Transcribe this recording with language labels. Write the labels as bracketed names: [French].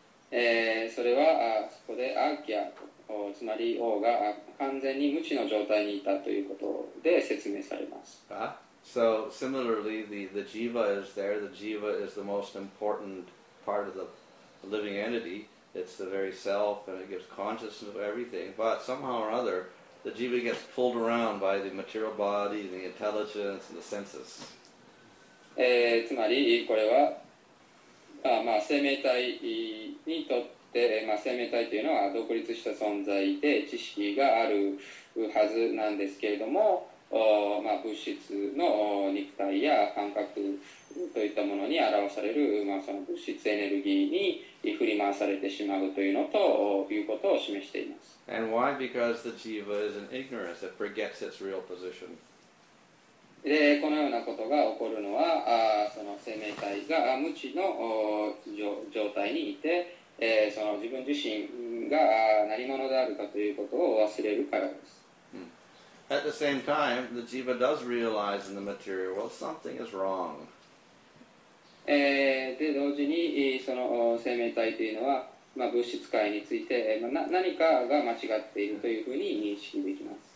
[Japanese] それはそこで agya, つまり王が完全に無知の状態にいたということで説明されます。 [English] So similarly, the jiva is there. The jiva is the most important part of the living entity. It's the very self and it gives consciousness of everything. But somehow or other,the jiva gets pulled around by the material body, the intelligence, and the senses. [Japanese] つまりこれは、まあ、生命体にとって、まあ、生命体というのは独立した存在で知識があるはずなんですけれども、まあ、物質の肉体や感覚といったものに表される、まあ、その物質エネルギーに振り回されてしまうというのと、いうことを示しています。 [English] And why? Because the jiva is an ignorance. It forgets its real position. [Japanese] で、このようなことが起こるのは、その生命体が無知の状態にいて、その自分自身が何者であるかということを忘れるからです。 Hmm. [English] At the same time, the jiva does realize in the material world something is wrong. [Japanese] で、同時にその生命体というのは、まあ、物質界について、まあ、何かが間違っているというふうに認識できます。